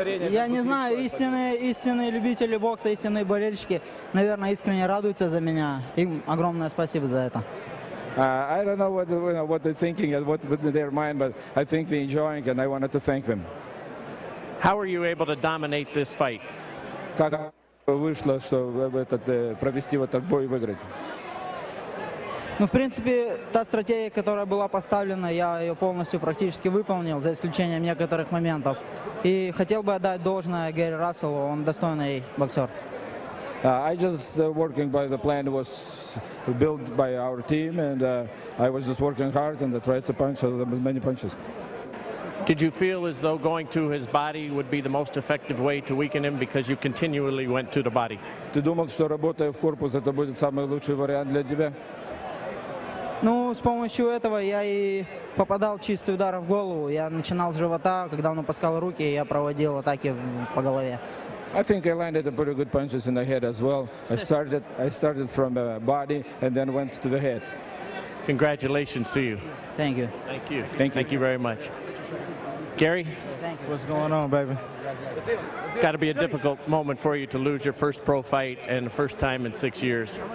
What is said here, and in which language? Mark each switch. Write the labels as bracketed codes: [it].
[ru] Я не знаю, истинные любители бокса, истинные болельщики, наверное, искренне радуются за меня. Им огромное спасибо за это. [en] I don't know what they're thinking and what's in their mind, but I think they're enjoying and I wanted to thank them. How are you able to dominate this fight? [ru] Как вышло, чтобы провести вот этот бой и выиграть? Ну, в принципе, та стратегия, которая была поставлена, я ее полностью практически выполнил, за исключением некоторых моментов. И хотел бы отдать должное Гэри Расселу, он достойный боксер. [en] I just working by the plan was built by our team, and I was just working hard and I tried to punch as many punches. Did you feel as though going to his body would be the most effective way to weaken him because you continually went to the body? [ru] Ты думал, что работая в корпус, это будет самый лучший вариант для тебя? Ну, с помощью этого я и попадал чистый удар в голову. Я начинал с живота, когда он опускал руки, я проводил атаки по голове. [en] I think I landed a pretty good punches in the head as well. I started from the body and then went to the head. Congratulations to you. Thank you. Thank you. Thank you. Thank you very much. Gary? Thank you. What's going on, baby? It's got to be a difficult moment for you to lose your first pro fight and the first time in 6 years.